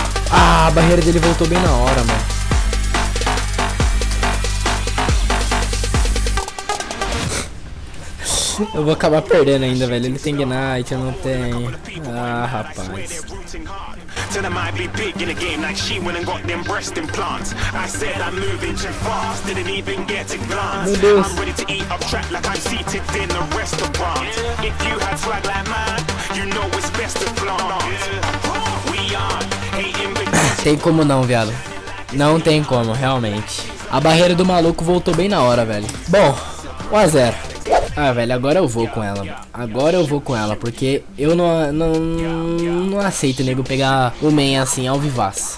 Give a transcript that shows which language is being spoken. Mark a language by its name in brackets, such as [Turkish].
[Portuguese] Ah, a barreira dele voltou bem na hora, mano. Eu vou acabar perdendo ainda, velho. Ele tem Ignite, eu não tenho. Ah, rapaz. [English] Tell them I'd be big in a game like she went and got them breast implants. I said I'm moving too fast, didn't even get a glance. I'm ready to eat up track like I'm seated in a restaurant. If you had swag like mine, you know it's best to flaunt. We are hating but [Portuguese] tem como não, viado. Não tem como, realmente. A barreira do maluco voltou bem na hora, velho. Bom, 1-0. Ah, velho, agora eu vou com ela. Agora eu vou com ela, porque eu não aceito o nego pegar o main assim, ao vivaz.